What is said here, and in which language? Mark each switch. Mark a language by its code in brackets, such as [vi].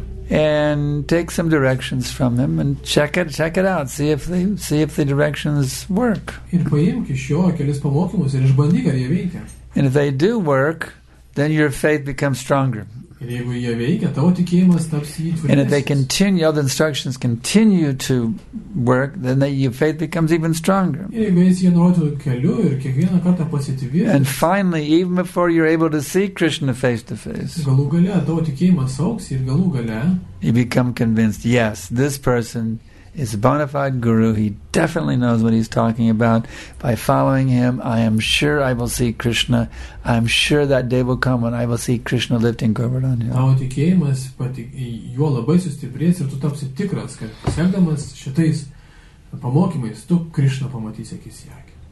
[en] And take some directions from him and check it out. See if the directions work. And if they do work, then your faith becomes stronger. [lt] Ir jeigu jie veikia, tavo tikėjimas taps įtvirtesnis. [en] And if they continue, all the instructions continue to work, then your faith becomes even stronger. [lt] Ir jeigu jie nurodo keliu ir kiekvieną kartą pasitvirtina. [en] And finally, even before you're able to see Krishna face to face, [lt] galų gale, tavo tikėjimas augs ir galų gale, [en] you become convinced, yes, this person is a bona fide guru. He definitely knows what he's talking about. By following him, I am sure I will see Krishna. I'm sure that day will come when I will see Krishna lifting Govardhan Hill. [lt] Tavo tikėjimas juo labai sustiprės ir tu tapsi tikras, kad sekdamas šitais pamokymais, tu Krishna pamatysi akis į akį.